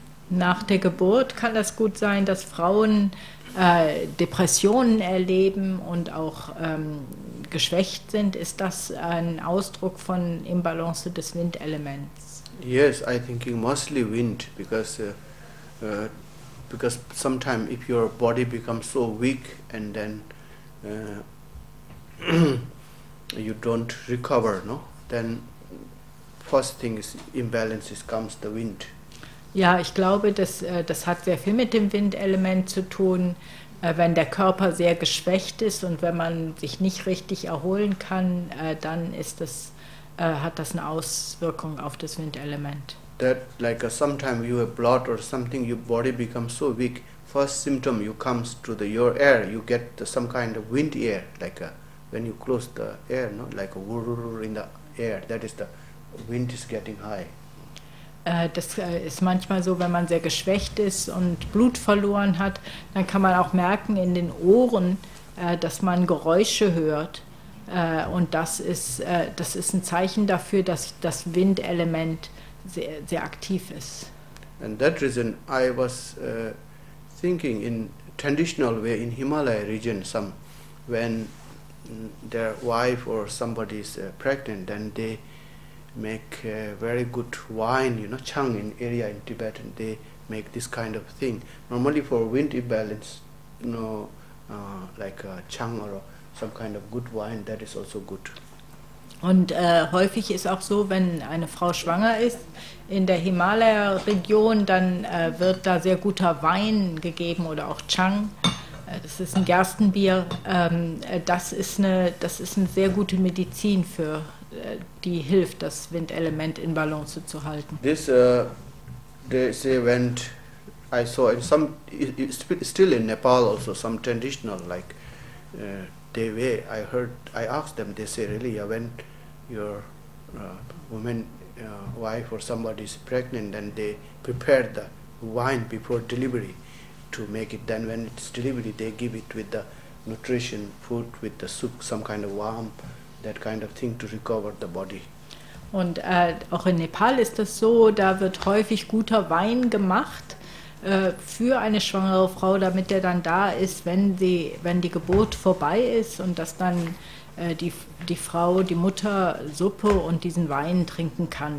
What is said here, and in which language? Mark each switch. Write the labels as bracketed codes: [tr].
[de] Nach der Geburt kann das gut sein, dass Frauen Depressionen erleben und auch geschwächt sind. Ist das ein Ausdruck von Imbalance des Windelements? [en] Yes, I think mostly wind, because sometimes if your body becomes so weak and then you don't recover, no, then first thing is imbalance is comes the wind. [de] Ja, ich glaube, das hat sehr viel mit dem Windelement zu tun. Wenn der Körper sehr geschwächt ist und wenn man sich nicht richtig erholen kann, dann ist das, hat das eine Auswirkung auf das Windelement. [en] That like sometimes you have blood or something, your body becomes so weak. First symptom you comes to the your air, you get some kind of wind air, like when you close the air, no, like a whirr in the air. That is the wind is getting high. [de] Das ist manchmal so, wenn man sehr geschwächt ist und Blut verloren hat, dann kann man auch merken in den Ohren, dass man Geräusche hört. Und das ist ein Zeichen dafür, dass das Windelement sehr, sehr aktiv ist. [en] And that reason I was thinking in traditional way in Himalaya region, some when their wife or somebody is pregnant, then they make very good wine, you know, chang in area in Tibet, and they make this kind of thing. Normally for wind imbalance, you know, like chang or some kind of good wine, that is also good. [de] Und häufig ist auch so, wenn eine Frau schwanger ist, in der Himalaya-Region, dann wird da sehr guter Wein gegeben oder auch chang. Das ist ein Gerstenbier. Das ist eine sehr gute Medizin für die hilft, das Windelement in Balance zu halten. [en] This they went, I saw in some still in Nepal also some traditional like they way. I heard, I asked them. They say really, when your woman, wife or somebody is pregnant, then they prepare the wine before delivery to make it. Then when it's delivery, they give it with the nutrition, food, with the soup, some kind of warm, that kind of thing to recover the body. [de] Und auch in Nepal ist das so, da wird häufig guter Wein gemacht für eine schwangere Frau, damit der dann da ist, wenn die Geburt vorbei ist, und dass dann die Frau, die Mutter Suppe und diesen Wein trinken kann.